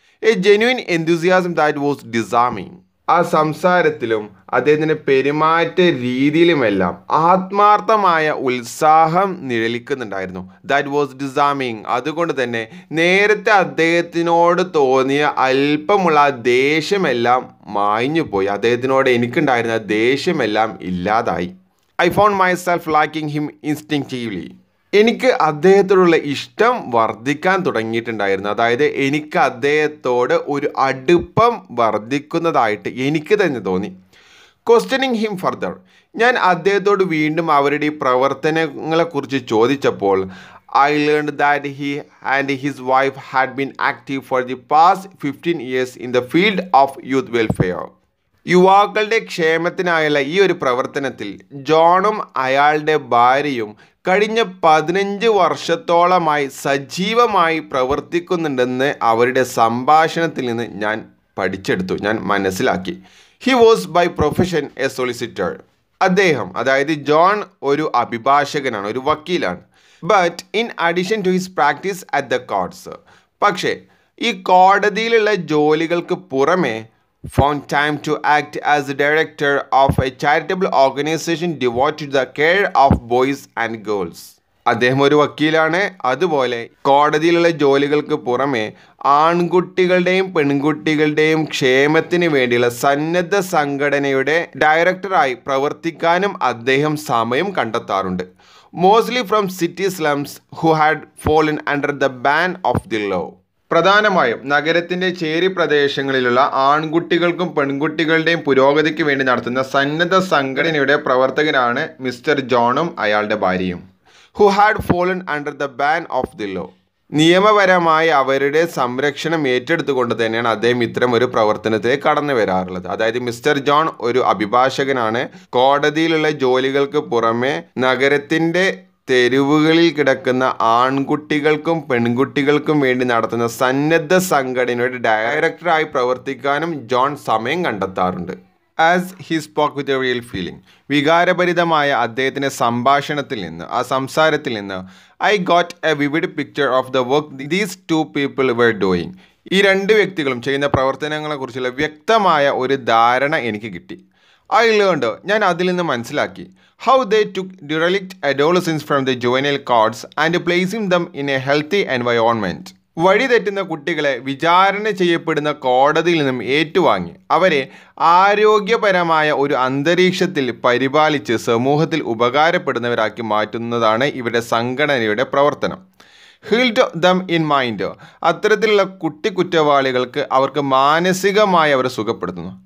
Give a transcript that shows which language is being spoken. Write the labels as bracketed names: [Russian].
[English] A genuine enthusiasm that was disarming. [Malayalam] ആ സംസാരത്തിലും അദ്ദേഹത്തിൻ്റെ പെരുമാറ്റ രീതിയിലുമെല്ലാം ആത്മാർത്ഥമായ ഉത്സാഹം നിഴലിക്കുന്നുണ്ടായിരുന്നു. [English] That was disarming. [Malayalam] അതുകൊണ്ട് തന്നെ നേരത്തെ അദ്ദേഹത്തിനോട് തോന്നിയ അല്പമുള്ള ദേഷ്യമെല്ലാം മായിഞ്ഞു പോയി. അദ്ദേഹത്തിനോട് എനിക്കുണ്ടായിരുന്ന ദേഷ്യമെല്ലാം ഇല്ലാതായി. [English] I found myself liking him instinctively. [Malayalam] എനിക്ക് അദ്ദേഹത്തോടുള്ള ഇഷ്ടം വർദ്ധിക്കാൻ തുടങ്ങിയിട്ടുണ്ടായിരുന്നു. അതായത് എനിക്ക് അദ്ദേഹത്തോട് ഒരു അടുപ്പം വർദ്ധിക്കുന്നതായിട്ട് എനിക്ക് തന്നെ തോന്നി. [English] Questioning him further, [Malayalam] ഞാൻ അദ്ദേഹത്തോട് വീണ്ടും അവരുടെ ഈ പ്രവർത്തനങ്ങളെക്കുറിച്ച് ചോദിച്ചപ്പോൾ [English] I learned that he and his wife had been active for the past 15 years in the field of youth welfare. [Malayalam] യുവാക്കളുടെ ക്ഷേമത്തിനായുള്ള ഈ ഒരു പ്രവർത്തനത്തിൽ ജോണും അയാളുടെ ഭാര്യയും കഴിഞ്ഞ 15 വർഷത്തോളമായി സജീവമായി പ്രവർത്തിക്കുന്നുണ്ടെന്ന് അവരുടെ സംഭാഷണത്തിൽ നിന്ന് ഞാൻ പഠിച്ചെടുത്തു, ഞാൻ മനസ്സിലാക്കി. [English] He was by profession a solicitor. [Malayalam] അദ്ദേഹം, അതായത് ജോൺ, ഒരു അഭിഭാഷകനാണ്, ഒരു വക്കീലാണ്. [English] but in addition to his practice at the courts, [Malayalam] പക്ഷേ ഈ കോടതിയിലുള്ള ജോലികൾക്ക് പുറമേ [English] found time to act as the director of a charitable organization devoted to the care of boys and girls. [Malayalam] അദ്ദേഹം ഒരു വക്കീലാണ്, അതുപോലെ കോടതിയിലുള്ള ജോലികൾക്ക് പുറമേ ആൺകുട്ടികളുടെയും പെൺകുട്ടികളുടെയും ക്ഷേമത്തിന് വേണ്ടിയുള്ള സന്നദ്ധ സംഘടനയുടെ ഡയറക്ടറായി പ്രവർത്തിക്കാനും അദ്ദേഹം സമയം കണ്ടെത്താറുണ്ട്. [English] Mostly from city slums who had fallen under the ban of the law. [Malayalam] പ്രധാനമായും നഗരത്തിൻ്റെ ചേരി പ്രദേശങ്ങളിലുള്ള ആൺകുട്ടികൾക്കും പെൺകുട്ടികളുടെയും പുരോഗതിക്ക് വേണ്ടി നടത്തുന്ന സന്നദ്ധ സംഘടനയുടെ പ്രവർത്തകരാണ് മിസ്റ്റർ ജോണും അയാളുടെ ഭാര്യയും. [English] Who had fallen under the ban of the law. [Malayalam] നിയമപരമായി അവരുടെ സംരക്ഷണം ഏറ്റെടുത്തുകൊണ്ട് തന്നെയാണ് അദ്ദേഹം ഇത്തരം ഒരു പ്രവർത്തനത്തെ കടന്നു വരാറുള്ളത്. അതായത് മിസ്റ്റർ ജോൺ ഒരു അഭിഭാഷകനാണ്, കോടതിയിലുള്ള ജോലികൾക്ക് പുറമേ നഗരത്തിൻ്റെ തെരുവുകളിൽ കിടക്കുന്ന ആൺകുട്ടികൾക്കും പെൺകുട്ടികൾക്കും വേണ്ടി നടത്തുന്ന സന്നദ്ധ സംഘടനയുടെ ഡയറക്ടറായി പ്രവർത്തിക്കാനും ജോൺ സമയം കണ്ടെത്താറുണ്ട്. [English] as he spoke with a real feeling, [Malayalam] വികാരഭരിതമായ അദ്ദേഹത്തിൻ്റെ സംഭാഷണത്തിൽ നിന്ന്, ആ സംസാരത്തിൽ നിന്ന്, [English] I got a vivid picture of the work these two people were doing. [Malayalam] ഈ രണ്ട് വ്യക്തികളും ചെയ്യുന്ന പ്രവർത്തനങ്ങളെക്കുറിച്ചുള്ള വ്യക്തമായ ഒരു ധാരണ എനിക്ക് കിട്ടി. [English] I learned, [Malayalam] ഞാൻ അതിൽ നിന്ന് മനസ്സിലാക്കി. [English] How they took derelict adolescents from the juvenile courts and placing them in a healthy environment. [Malayalam] വഴി തെറ്റുന്ന കുട്ടികളെ വിചാരണ ചെയ്യപ്പെടുന്ന കോടതിയിൽ നിന്നും ഏറ്റുവാങ്ങി അവരെ ആരോഗ്യപരമായ ഒരു അന്തരീക്ഷത്തിൽ പരിപാലിച്ച് സമൂഹത്തിൽ ഉപകാരപ്പെടുന്നവരാക്കി മാറ്റുന്നതാണ് ഇവരുടെ സംഘടനയുടെ പ്രവർത്തനം. [English] held them in mind, [Malayalam] അത്തരത്തിലുള്ള കുട്ടി കുറ്റവാളികൾക്ക് അവർക്ക് മാനസികമായി അവരെ സുഖപ്പെടുത്തുന്നു.